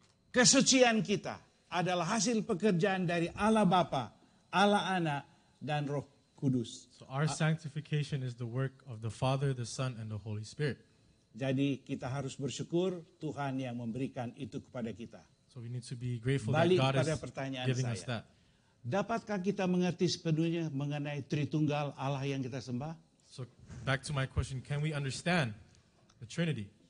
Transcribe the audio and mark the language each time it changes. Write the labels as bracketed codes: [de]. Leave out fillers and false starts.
[id] Kesucian kita adalah hasil pekerjaan dari Allah Bapa, Allah Anak, dan Roh Kudus. [en] So our sanctification is the work of the Father, the Son, and the Holy Spirit. [id] Jadi kita harus bersyukur Tuhan yang memberikan itu kepada kita. [en] So we need to be grateful that God is giving us that. [id] Dapatkah kita mengerti sepenuhnya mengenai Tritunggal Allah yang kita sembah? [en] So back to my question, can we understand the Trinity?